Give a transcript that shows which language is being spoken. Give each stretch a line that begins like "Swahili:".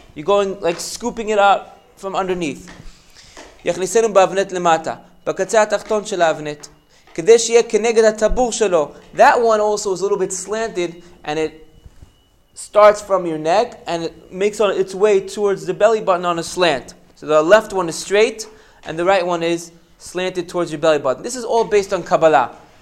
English: You're going like scooping it out from underneath.
Hebrew: יחניסנו באבנת למטה, בקצה התחתון של האבנת, כדי שיהיה כנגד הטבור שלו.
English: That one also is a little bit slanted, and it starts from your neck, and it makes on its way towards the belly button on a slant. So the left one is straight, and the right one is slanted towards your belly button. This is all based on Kabbalah.